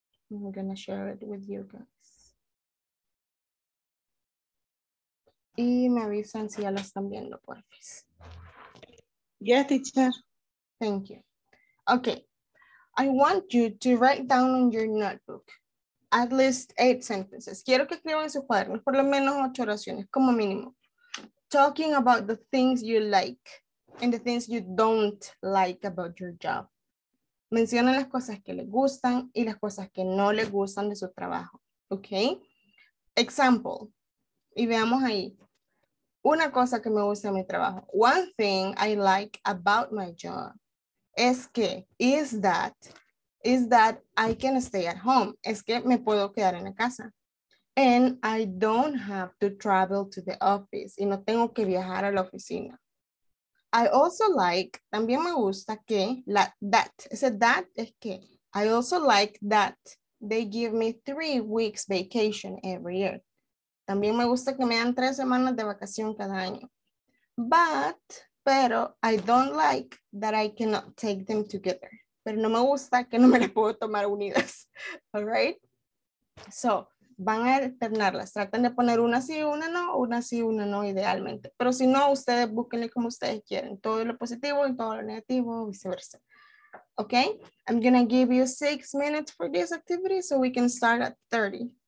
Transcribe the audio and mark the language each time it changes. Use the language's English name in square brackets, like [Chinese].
[English] I'm going to share it with you guys. [Spanish] Y me avisan si ya lo están viendo, por favor. [English] Yes, teacher. Thank you. Okay. I want you to write down on your notebook at least 8 sentences. [Spanish] Quiero que escriban en su cuaderno, por lo menos 8 oraciones, como mínimo. [English] Talking about the things you like and the things you don't like about your job. [Spanish] Mencionen las cosas que les gustan y las cosas que no les gustan de su trabajo. Ok. Example. Y veamos ahí. Una cosa que me gusta de mi trabajo. [English] One thing I like about my job [Spanish] es que, [English] is that I can stay at home. [Spanish] Es que me puedo quedar en la casa. [English] And I don't have to travel to the office. [Spanish] Y no tengo que viajar a la oficina. [English] I also like, [Spanish] también me gusta que, [English] that. [Spanish] Ese that es que, [English] I also like that they give me 3 weeks vacation every year. [Spanish] También me gusta que me dan 3 semanas de vacación cada año. [English] But, pero, I don't like that I cannot take them together. [Spanish] Pero no me gusta que no me las puedo tomar unidas. [English] All right? [Spanish] So, van a alternarlas. Traten de poner una sí, una no, idealmente. Pero si no, ustedes búsquenle como ustedes quieren. Todo lo positivo y todo lo negativo, viceversa. [English] Okay? I'm gonna give you 6 minutes for this activity so we can start at 30.